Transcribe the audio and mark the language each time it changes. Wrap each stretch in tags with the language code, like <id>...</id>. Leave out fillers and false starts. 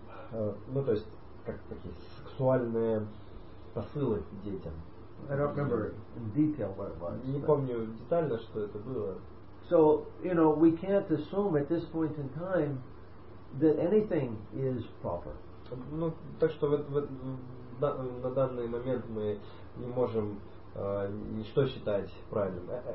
<ru>То есть как такие сексуальные посылы детям.</ru> <en>I don't remember in detail what it was.</en> <ru>Не помню детально, что это было.</ru> <en>So, you know, we can't assume at this point in time that anything is proper.</en> <ru>Ну, так что на данный момент мы не можем ничто считать правильным.</ru>